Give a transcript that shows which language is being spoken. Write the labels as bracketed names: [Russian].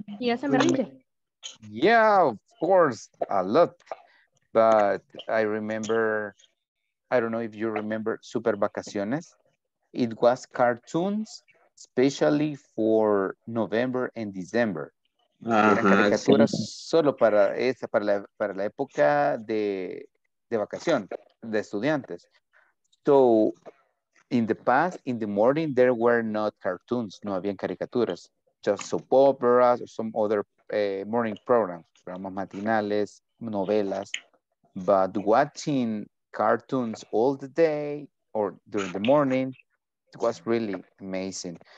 [Spanish] Y ya se me rinde. [English] Yeah, of course, a lot. But I remember, I don't know if you remember Super Vacaciones. It was cartoons, especially for November and December. [Spanish] Caricaturas sí. Solo para esa, para la época de vacación de estudiantes. [English] So, in the past, in the morning, there were not cartoons. [Spanish] No habían caricaturas. [English] Just soap operas or some other morning programs, [Spanish] programas matinales, novelas. [English] But watching cartoons all the day or during the morning, it was really amazing.